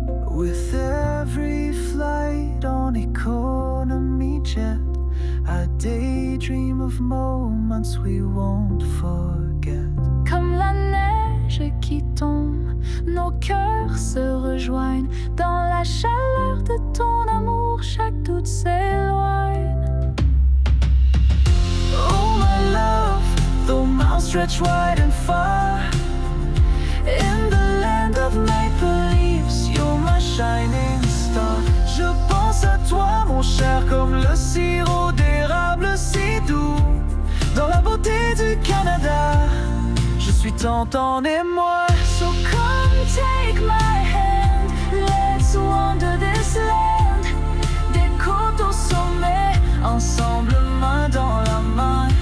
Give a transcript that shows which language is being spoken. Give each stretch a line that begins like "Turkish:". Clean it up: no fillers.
English: With every flight on economy jet, I daydream of moments we won't forget.
French: Comme la neige qui tombe, nos cœurs se rejoignent. Dans la chaleur de ton amour, chaque doute s'éloigne.
English: Oh my love, the mountains stretch wide and far. In the land of maple leaves, you're my shining star.
French: Je pense à toi, mon cher, comme le sirop d'érable si doux. Dans la beauté du Canada, je suis tant en émoi.
English: So come take my hand, let's wander this land.
French: Des côtes au sommet, ensemble main dans la main.